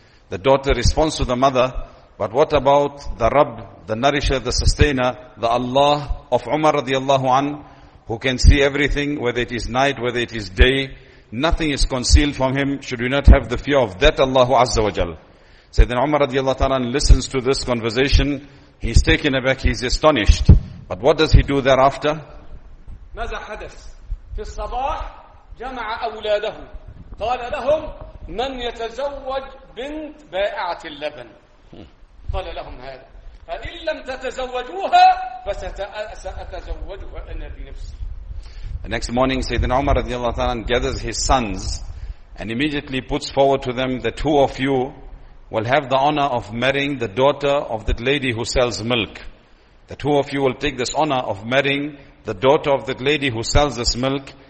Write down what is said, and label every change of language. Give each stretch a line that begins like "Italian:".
English: The daughter responds to the mother, but what about the Rabb, the nourisher, the sustainer, the Allah of Umar radiallahu an, who can see everything, whether it is night, whether it is day, nothing is concealed from him. Should we not have the fear of that Allahu Azza wa Jal? Sayyidina Umar radiallahu ta'ala listens to this conversation. He's taken aback, he's astonished. But what does he do thereafter?
Arabic: ماذا حدث؟ في الصباح جمع أولاده. قال لهم: من يتزوج بنت بائعة اللبن؟ قال لهم هذا: فإن لم تتزوجوها فسأتزوجها أنا بنفسي.
English: The next morning, Sayyidina Umar radiallahu ta'ala gathers his sons and immediately puts forward to them that two of you will have the honor of marrying the daughter of that lady who sells milk. The two of you will take this honor of marrying the daughter of that lady who sells this milk.